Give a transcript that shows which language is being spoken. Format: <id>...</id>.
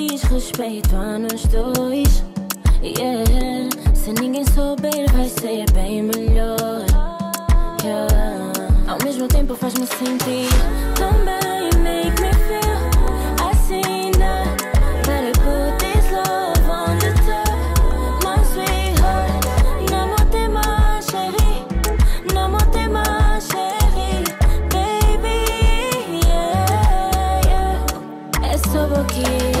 <pt>Respeito a nós dois, yeah. Se ninguém souber, vai ser bem melhor, yeah. Ao mesmo tempo faz-me sentir tão bem.</pt> <en>Make me feel assim, now that I put this love on the top. My sweetheart,</en> <pt>não vou ter mais, chéri. Não vou ter mais, chéri. Baby, yeah, yeah. É só um pouquinho.</pt>